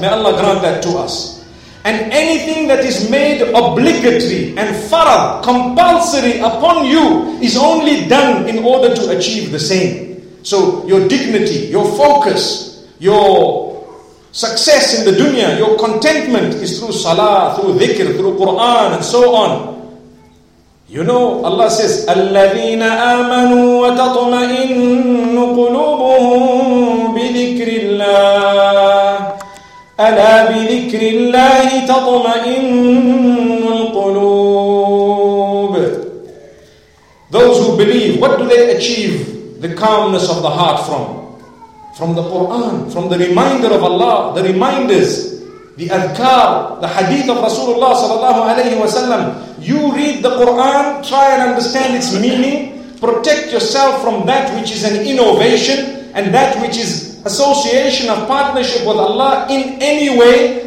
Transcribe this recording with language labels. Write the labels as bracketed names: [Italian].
[English] May Allah grant that to us. And anything that is made obligatory and farad, compulsory upon you, is only done in order to achieve the same. So your dignity, your focus, your success in the dunya, your contentment is through salah, through dhikr, through Quran, and so on. You know, Allah says, [Arabic] الَّذِينَ آمَنُوا وَتَطْمَئِنُّ قُلُوبُهُمْ بِذِكْرِ اللَّهِ أَلَا بِذِكْرِ اللَّهِ تَطْمَئِنُّ الْقُلُوبُ. [English] Those who believe, what do they achieve the calmness of the heart from? From the Quran, from the reminder of Allah, the reminders, the adhkar, the hadith of Rasulullah sallallahu alayhi wa sallam. You read the Quran, try and understand its meaning, protect yourself from that which is an innovation and that which is association of partnership with Allah in any way.